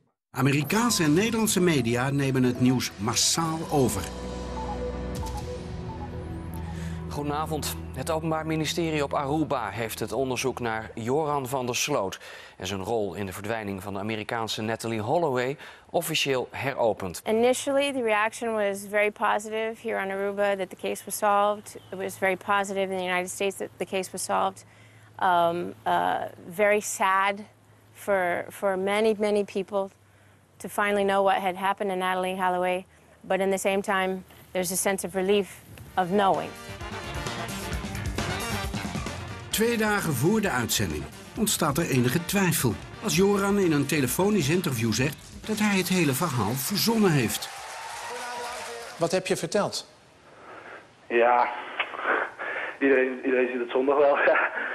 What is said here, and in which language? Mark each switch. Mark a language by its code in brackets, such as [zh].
[nl] Amerikaanse en Nederlandse media nemen het nieuws massaal over. Goedenavond. Het Openbaar Ministerie op Aruba heeft het onderzoek naar Joran van der Sloot en zijn rol in de verdwijning van de Amerikaanse Natalie Holloway officieel heropend. [en] Initially the reaction was very positive here on Aruba that the case was solved. It was very positive in the United States that the case was solved. Very sad for many, many people to finally know what had happened to Natalie Holloway. But in the same time, there's a sense of relief of knowing. [nl] Twee dagen voor de uitzending ontstaat er enige twijfel als Joran in een telefonisch interview zegt dat hij het hele verhaal verzonnen heeft. Wat heb je verteld? Ja, iedereen ziet het zondag wel. Ja.